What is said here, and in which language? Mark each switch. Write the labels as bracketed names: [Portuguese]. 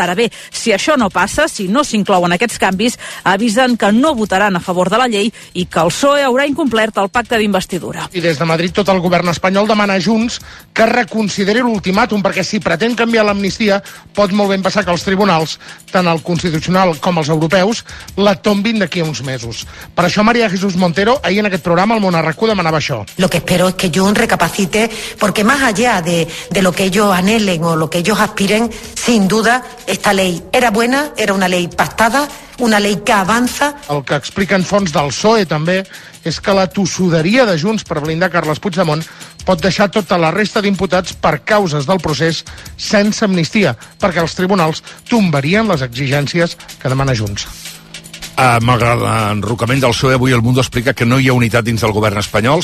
[Catalan] Ara bé, si això no passa, si no s'inclouen aquests canvis, avisen que no votaran a favor de la llei i que el PSOE haurà incomplert el pacte d'investidura. I des de Madrid tot el govern espanyol demana a Junts que reconsideri l'ultimàtum, perquè si pretén canviar l'amnistia, pot molt ben passar que els tribunals, tant el constitucional com els europeus, la tombin d'aquí a uns mesos. Per això María Jesús Montero, ahir en aquest programa, el món a RAC1 demanava això. [Spanish] Lo que espero es que Junts recapacite, porque más allá de lo que ellos anhelen o lo que ellos aspiren, sin duda, esta ley era buena, era una ley pactada, una ley que avanza. [Catalan] El que expliquen fonts del PSOE també és que la tossuderia de Junts per blindar Carles Puigdemont pot deixar tota la resta d'imputats per causes del procés sense amnistia, perquè els tribunals tombarien les exigències que demana Junts. Malgrat l'enrocament del PSOE, avui el Mundo explica que no hi ha unitat dins del govern espanyol.